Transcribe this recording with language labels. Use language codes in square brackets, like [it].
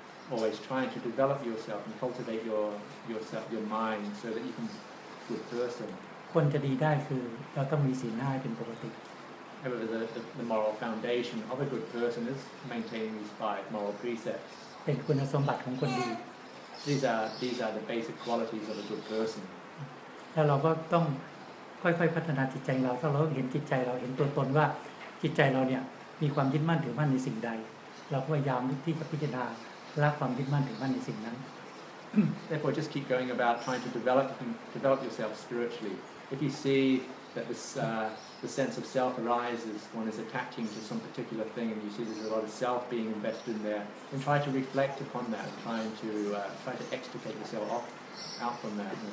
[en] Always trying to develop yourself and cultivate your mind so that you can be a good person. [th] คนจะดีได้คือเราต้องมีศีลห้าเป็นปกติ [en] However, the moral foundation of a good person is maintaining these five moral precepts. [th] เป็นคุณสมบัติของคนดี [en] These are the basic qualities of a good person. [th] แล้วเราก็ต้องค่อยๆพัฒนาจิตใจเราถ้าเราเห็นจิตใจเราเห็นตัวตนว่าจิตใจเราเนี่ยมีความยึดมั่นถือมั่นในสิ่งใดเราพยายามที่จะพิจารณาละความยึดมั่นถือมั่นในสิ่งนั้น [en] Therefore, just keep going about trying to develop yourself spiritually. If you see that this the sense of self arises, one is attaching to some particular thing, and you see there's a lot of self being invested in there, then try to reflect upon that, trying to extricate yourself out from that.